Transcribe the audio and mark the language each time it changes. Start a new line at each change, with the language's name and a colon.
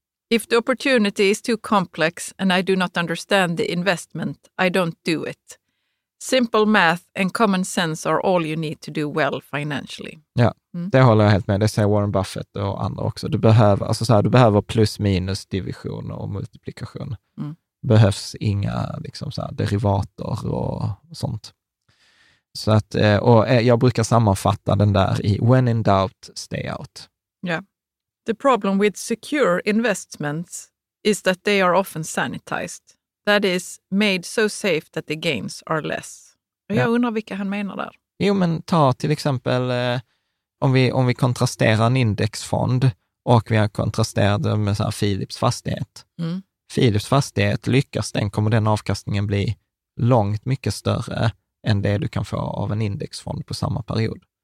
English: If the opportunity is too complex and I do not understand the investment, I don't do it. Simple math and common sense are all you need to do well financially.
Swedish: Ja, det håller jag helt med. Det säger Warren Buffett och andra också. Du behöver, alltså så här, du behöver plus minus division och multiplikation. Mm. Behövs inga liksom så här, derivater och sånt. Så att, och jag brukar sammanfatta den där i
English: when in doubt, stay out. Yeah. The problem with secure investments is that they are often sanitized. That is, made so safe that the gains are less.
Swedish: Och jag undrar vilka han menar där. Jo, men ta till exempel om vi kontrasterar en indexfond och vi har kontrasterat det med så här Philips fastighet. Mm. Philips fastighet, lyckas den kommer den avkastningen bli långt mycket större än det du kan få av en indexfond på samma period.